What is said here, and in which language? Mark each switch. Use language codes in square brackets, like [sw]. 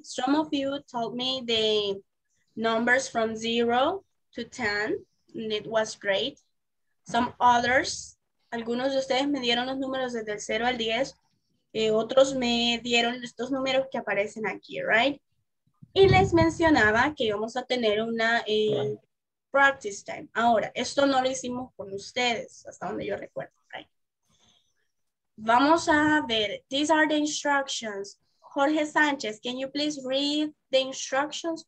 [en] Some of you told me the numbers from 0 to 10, and it was great. Some others, [es] algunos de ustedes me dieron los números desde el 0 al 10, otros me dieron estos números que aparecen aquí, right? Y les mencionaba que íbamos a tener una [en] practice time. [es] Ahora, esto no lo hicimos con ustedes, hasta donde yo recuerdo, right? Vamos a ver, [en] these are the instructions. Jorge Sánchez, can you please read the instructions?